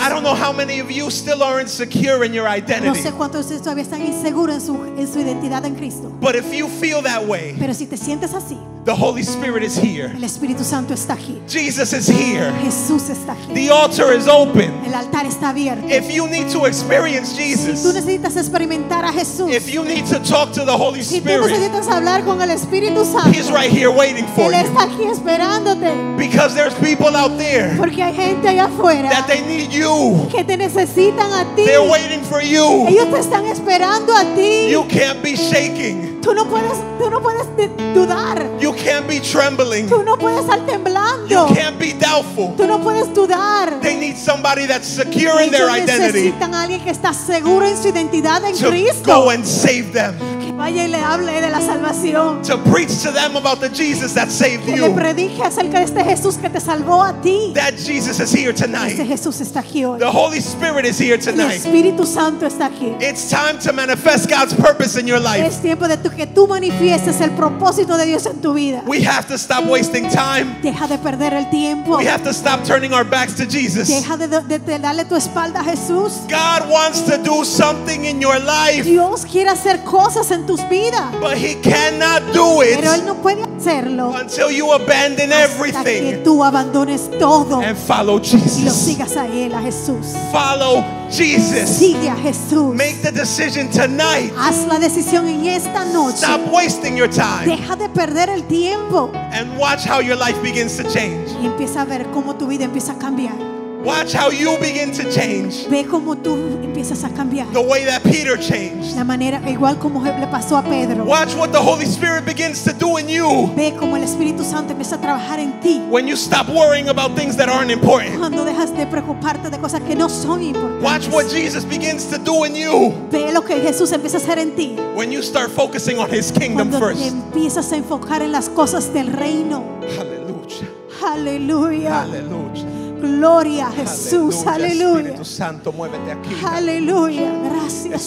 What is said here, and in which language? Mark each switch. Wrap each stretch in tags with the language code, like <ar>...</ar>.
<en>I don't know how many of you still are insecure in your identity.</en> <es>No sé cuántos de ustedes todavía están inseguros en su identidad en Cristo.</es> <en>But if you feel that way,</en> <es>pero si te sientes así,</es> <en>the Holy Spirit is here.</en> <es>El Espíritu Santo está aquí.</es> <en>Jesus is here.</en> <es>Jesús está aquí.</es> <en>The altar is open.</en> <es>El altar está abierto.</es> <en>If you need to experience Jesus,</en> <es>si tú necesitas experimentar a Jesús,</es> <en>if you need to talk to the Holy Spirit,</en> <es>si tú necesitas hablar con el Espíritu Santo,</es> <en>He's right here waiting for you.</en> <es>Él está aquí esperándote.</es> <en>Because there's people out there,</en> <es>porque hay gente allá afuera,</es> <en>that they need you,</en> <es>que te necesitan a ti.</es> <en>They're waiting for you.</en> <es>Ellos te están esperando a ti.</es> <en>You can't be shaking.</en> <es>Tú no puedes dudar.</es> <en>You can't be trembling.</en> <es>Tú no puedes estar temblando.</es> <en>You can't be doubtful.</en> <es>Tú no puedes dudar.</es> <en>They need somebody that's secure in their identity.</en> <es>Ellos necesitan alguien que está seguro en su identidad en Cristo.</es> <en>To go and save them.</en> <es>Que vaya y le hable de la salvación.</es> <en>To preach to them about the Jesus that saved you.</en> <es>Que le predique acerca de este Jesús que te salvó a ti.</es> <en>That Jesus is here tonight.</en> <es>Este Jesús está aquí hoy.</es> <en>The Holy Spirit is here tonight.</en> <es>El Espíritu Santo está aquí.</es> <en>It's time to manifest God's purpose in your life.</en> <es>Es tiempo de que tú manifiestes el propósito de Dios en tu vida.</es> <en>We have to stop wasting time.</en> <es>Deja de perder el tiempo.</es> <en>We have to stop turning our backs to Jesus.</en> <es>Deja de darle tu espalda a Jesús.</es> <en>God wants to do something in your life.</en> <es>Dios quiere hacer cosas en tus vidas.</es> <en>But He cannot do it.</en> <es>Pero Él no puede hacerlo.</es> <en>Until you abandon everything.</en> <es>Hasta que tú abandones todo.</es> <en>And follow Jesus.</en> <es>Y lo sigas a Él, a Jesús.</es> <en>Follow Jesus.</en> <es>Sigue a Jesús.</es> <en>Make the decision tonight.</en> <es>Haz la decisión en esta noche.</es> <en>Stop wasting your time.</en> <es>Deja de perder el tiempo.</es> <en>And watch how your life begins to change.</en> <es>Y empieza a ver cómo tu vida empieza a cambiar.</es> <en>Watch how you begin to change.</en> <es>Ve cómo tú empiezas a cambiar.</es> <en>The way that Peter changed.</en> <es>La manera igual como le pasó a Pedro.</es> <en>Watch what the Holy Spirit begins to do in you.</en> <es>Ve cómo el Espíritu Santo empieza a trabajar en ti.</es> <en>When you stop worrying about things that aren't important.</en> <es>Cuando dejas de preocuparte de cosas que no son importantes.</es> <en>Watch what Jesus begins to do in you.</en> <es>Ve lo que Jesús empieza a hacer en ti.</es> <en>When you start focusing on His kingdom</en> <es>cuando</es> <en>first.</en> <es>Cuando empiezas a enfocar en las cosas del reino.</es> <en>Hallelujah. Hallelujah. Hallelujah.</en> <es>Gloria a Jesús, aleluya. Espíritu Santo, muévete aquí. Aleluya, gracias,</es>